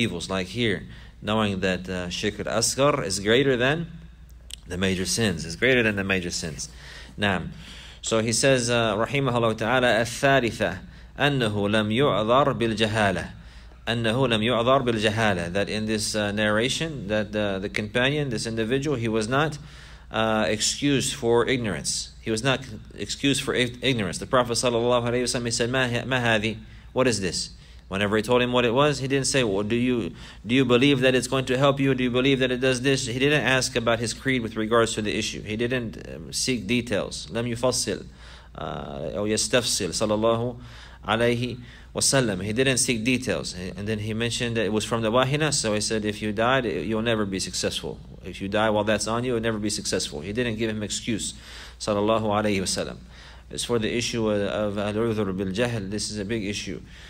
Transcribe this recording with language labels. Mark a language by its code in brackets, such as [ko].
[en] Like here, knowing that shirk al-asghar is greater than The major sins is greater than the major sins. [ar] Naam. [en] So he says, [ar] رحمه الله تعالى, أنه لم يعذر بالجهالة. أنه لم يعذر بالجهالة. [en] That in this narration, that the companion, this individual, he was not excused for ignorance. He was not excused for ignorance. The Prophet sallallahu alaihi wasallam, he said, [ar] ما هذه? [en] What is this? Whenever he told him what it was, he didn't say, well, do you believe that it's going to help you? Do you believe that it does this? He didn't ask about his creed with regards to the issue. He didn't seek details. [ar] لم يفصل أو يستفصل صلى الله عليه وسلم. [en] He didn't seek details. And then he mentioned that it was from the Wahina. So he said, if you died, you'll never be successful. If you die while that's on you, you'll never be successful. He didn't give him excuse صلى الله عليه وسلم. It's for the issue of [ar] العذر بالجهل. [en] This is a big issue.